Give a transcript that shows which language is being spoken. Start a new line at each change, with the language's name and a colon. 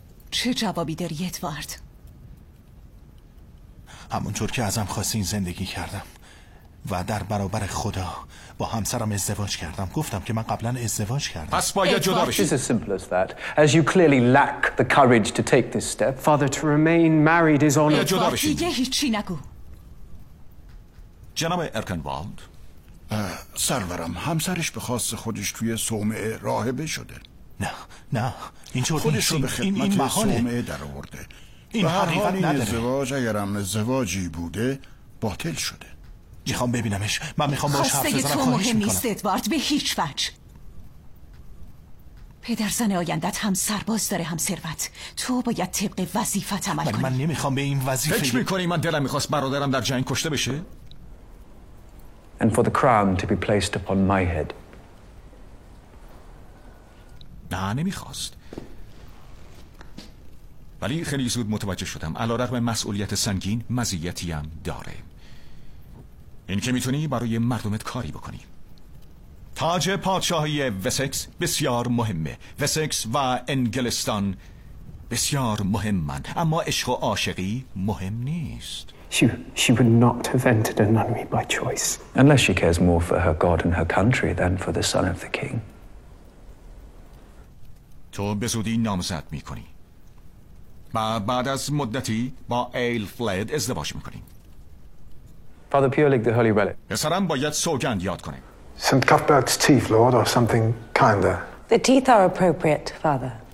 Persian: چه جوابی داری ادوارد؟ همونطور که ازم خواستین زندگی کردم. و در برابر خدا با همسرم ازدواج کردم. گفتم که من قبلا ازدواج کردم. پس باید جدا بشید.
English: It's as simple as that. As you clearly lack the courage to take this step, father, to remain married is on
Persian: a... جدا بشید. دیگه هیچی نگو. جناب ارکنوالد. سرورم، همسرش به خواست خودش توی صومعه راهبه شده. نه، نه، اینجور نیست. خودش رو به خدمت صومعه در آورده. این حقیقت نداره. ازدواج اگرم ازدواجی بوده، باطل شده. میخوام ببینمش، من میخوام باش حرف بزنم. خواسته تو مهم نیست ادوارد، به هیچ وجه. پدر زن آیندت هم سرباز داره هم ثروت. تو باید طبق وظیفت عمل کنی. من نمیخوام به این وظیفه. فکر میکنی من دلم میخواست برادرم در جنگ کشته بشه؟
English: And for the crown to be placed upon my head.
Persian: نه نمیخواست. ولی خیلی زود متوجه شدم علی‌رغم مسئولیت سنگین مزیتی هم داره. این که میتونی برای مردمت کاری بکنی. تاج پادشاهی وسکس بسیار مهمه. وسکس و انگلستان بسیار مهمن. اما عشق و عاشقی مهم نیست.
English: She would not have entered a nunnery by choice. Unless she cares more for her God and her country than for the son of the king.
Persian: تو به زودی نامزد میکنی. و بعد از مدتی با ایل فلید ازدواج میکنی.
English: Father Pulik, the holy relic.
Persian: پسرم باید سوگند یاد کنه.
English: St. Cuthbert's teeth, Lord, or something kinder. The teeth are appropriate, Father.